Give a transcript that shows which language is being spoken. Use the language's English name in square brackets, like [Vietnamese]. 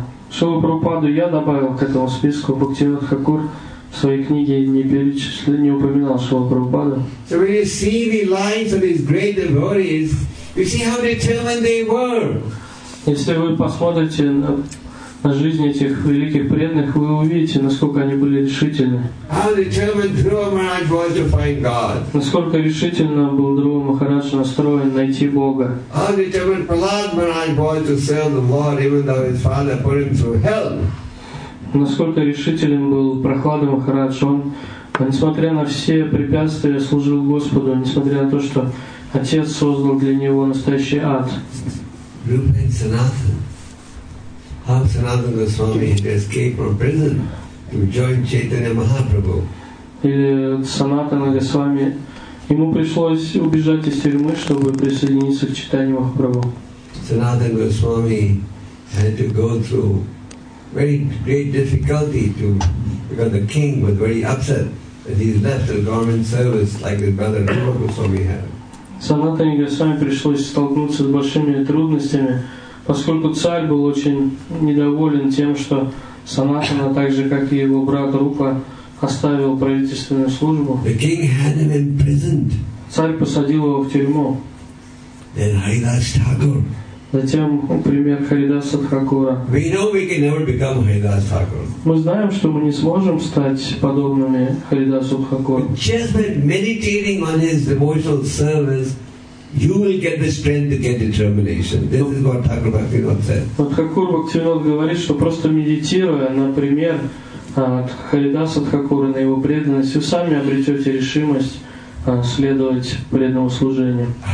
[Russian] Шила Прабхупаду я добавил к этому списку. Бхактивинода Хакур в своей книге не упоминал Шила Прабхупаду. [English] So when you see the lives of these great devotees, you see how determined they were. [Russian] Если вы посмотрите на жизнь этих великих преданных, вы увидите, насколько они были решительны. [English] How determined Dhruva Maharaj was to find God. [Russian] Насколько решительно был Друва Махарадж настроен найти Бога. [English] How determined Prahlad Maharaj was to serve the Lord, even though his father put him through hell. [Russian] Насколько решителен был Прохлада Махарадж, он, несмотря на все препятствия, служил Господу, несмотря на то, что Отец создал для него настоящий ад. [English] Rupa and Sanatana. How Sanatana Goswami had escaped from prison to join Chaitanya Mahaprabhu. [Russian] Или Санатана Госвами, ему пришлось убежать из тюрьмы, чтобы присоединиться к Чайтанье Махапрабху. [English] Sanatana Goswami had to go through very great difficulty because the king was very upset that he left the government service like his brother Rupa Goswami had. [Russian] Санатане Госвами пришлось столкнуться с большими трудностями, поскольку царь был очень недоволен тем, что Санатана, так же как и его брат Рупа, оставил правительственную службу. [English] The king had him imprisoned. [Russian] Царь посадил его в тюрьму. [English] Then Haridas Thakur. [Russian] Затем пример Харидаса Тхакура. [English] We know we can never become Haridas Thakur. [Russian] Мы знаем, что мы не сможем стать подобными Харидасу Тхакуру. [English] Just by meditating on his devotional service, you will get the strength to get determination. This is what Thakur Bhaktivinoda said. [Russian] Тхакур Бхактивинода говорит, что просто медитируя, например, Харидаса Тхакура, на его преданность, вы сами обретете решимость следовать преданному служению.